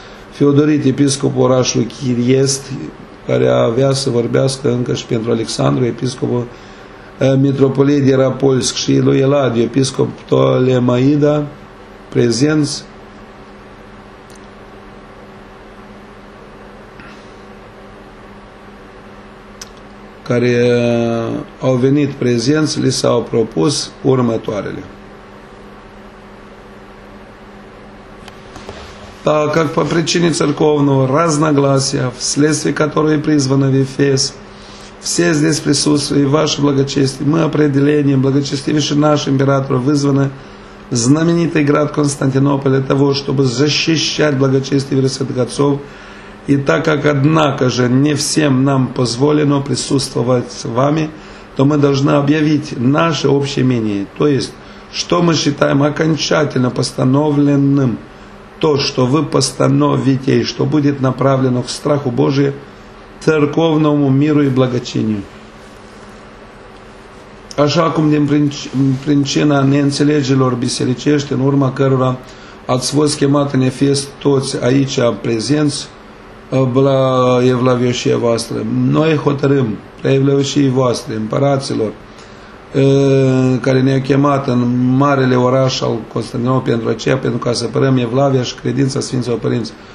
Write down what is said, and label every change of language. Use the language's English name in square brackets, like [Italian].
[Romanian] Feodorit, episcopul orașului Chiriest, care avea să vorbească încă și pentru Alexandru, episcopul mitropolit Ierapolsk, și lui Eladiu, episcop Ptolemaida, prezenți. Care au venit prezenți, li s-au propus următoarele. [Russian] Так как по причине церковного разногласия, вследствие которого призваны в Ефес, все здесь присутствуют, и ваше благочестие, мы определением, благочестивейший наш император, вызваны в знаменитый град Константинополь для того, чтобы защищать благочестие веры святых отцов, и так как, однако же, не всем нам позволено присутствовать с вами, то мы должны объявить наше общее мнение, то есть, что мы считаем окончательно постановленным, то, что вы постановите, и что будет направлено к страху Божию, церковному миру и благочинию. [Romanian] Așa cum din pricina neînțelegerilor bisericești, în urma cărora ați fost chemat în Efes toți aici prezenți, evlavioșie voastră, noi hotărâm, evlavioșie voastră, împăraților, care ne-au chemat în marele oraș al Constantinopolului pentru aceea, pentru ca să părăm evlavia și credința Sfinților Părinți.